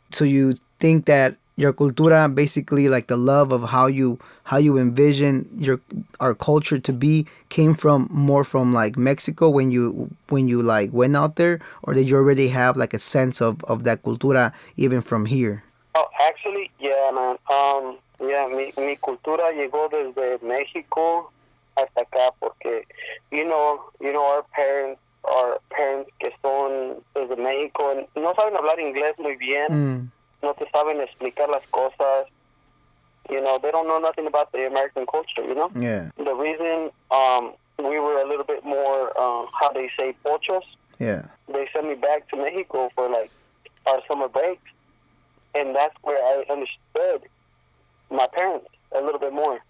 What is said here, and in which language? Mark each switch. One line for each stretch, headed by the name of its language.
English: So you think that your cultura, basically, like, the love of how you envision our culture to be, came from more from, like, Mexico when you like went out there, or did you already have, like, a sense of that cultura even from here? Oh, actually, yeah, man.
Spanish: Yeah, mi cultura llegó desde Mexico hasta acá porque
English: you know our parents
Spanish: que son desde México no saben hablar inglés muy bien. Mm. No te saben explicar las cosas.
English: You know, they don't know nothing about the American culture, you know? Yeah. The reason we were a little bit more, how they say, pochos. Yeah. They sent me back to Mexico for, like, our summer break. And that's where I understood my parents a little bit more.